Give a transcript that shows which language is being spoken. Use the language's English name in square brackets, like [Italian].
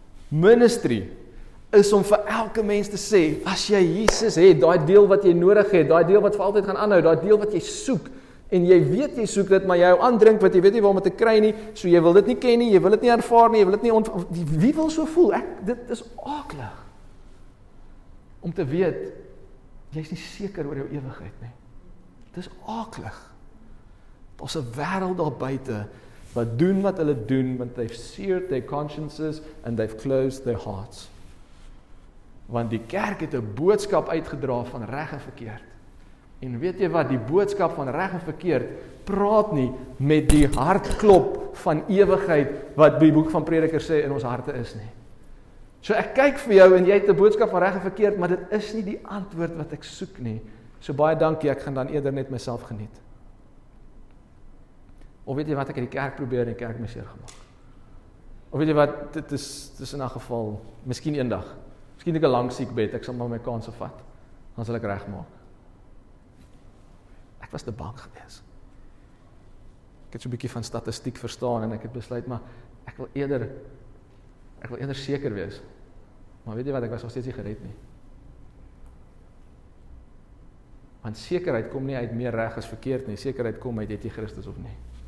[Afrikaans] Ministry is om vir elke mens te sê, as jy Jesus het, daai deel wat jy nodig het, daai deel wat vir altyd gaan aanhou, daai deel wat jy soek, en jy weet jy soek dit, maar jy hou aandrink wat jy weet nie waar om te kry nie, so jy wil dit nie ken nie, jy wil dit nie ervaar nie, jy wil dit nie wie wil so voel? Ek, dit is aaklig. Om te weet, jy is nie seker oor jou ewigheid nie. Dit is aaklig. Ons 'n wêreld daar buite, wat doen wat hulle doen, want [English] they've seared their consciences, and they've closed their hearts. [Afrikaans] Want die kerk het 'n boodskap uitgedra van reg en verkeerd. En weet jy wat, die boodskap van reg en verkeerd praat nie met die hartklop van ewigheid wat die boek van Prediker sê in ons harte is nie. So ek kyk vir jou en jy het 'n boodskap van reg en verkeerd, maar dit is nie die antwoord wat ek soek nie. So baie dankie, ek gaan dan eerder net myself geniet. Of weet jy wat, ek het die kerk probeer en die kerk my seer gemaak. Of weet jy wat, dit is in 'n geval, miskien eendag, miskien ek 'n lang siekbed, ek sal maar my kans vat, dan sal ek reg maak. Ek was te bang geweest. Ek het so 'n bietjie van statistiek verstaan en ek het besluit, maar ek wil eerder seker wees. Maar weet jy wat, ek was nog steeds nie gered nie. Want sekerheid kom nie uit meer reg as verkeerd nie, sekerheid kom uit het jy Christus of nie.